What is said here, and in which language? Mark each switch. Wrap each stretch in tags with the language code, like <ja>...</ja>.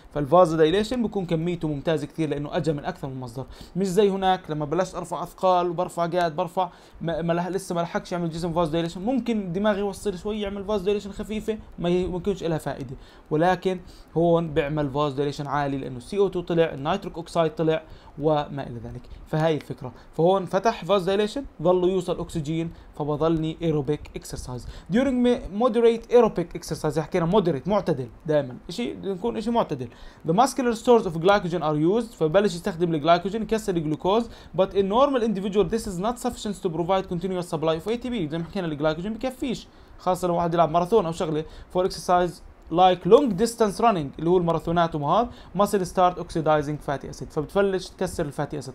<ar>فالفازو دايليشن بيكون كميته ممتازه كثير لانه اجى من اكثر من مصدر، مش زي هناك لما بلشت ارفع اثقال وبرفع قاعد برفع ما لحقش يعمل جسم فازو دايليشن، ممكن دماغي يوصل شوي يعمل فازو دايليشن خفيفه ما يكونش لها فائده، ولكن هون بيعمل فازو دايليشن عالي لانه سي او 2 طلع، النيتريك اوكسايد طلع وما الى ذلك. فهاي الفكره، فهون فتح فازو دايليشن ظله يوصل اكسجين فبضلني ايروبيك اكسرسايز.</ar> <en>During moderate aerobic exercise</en> <ar>حكينا moderate معتدل دائما شيء يكون شيء معتدل.</ar> <en>The muscular stores of glycogen are used</en> <ar>فبلش يستخدم الجلايكوجين يكسر الجلوكوز.</ar> <en>But in normal individual this is not sufficient to provide continuous supply of ATP.</en> <ar>زي ما حكينا الجلايكوجين بكفيش خاصة لو واحد يلعب ماراثون او شغلة.</ar> <en>For exercise like long distance running</en> <ar>اللي هو الماراثونات ومهاد</ar> <en>muscle start oxidizing fatty acid</en> <ar>فبتفلش تكسر الفاتي اسيد.</ar>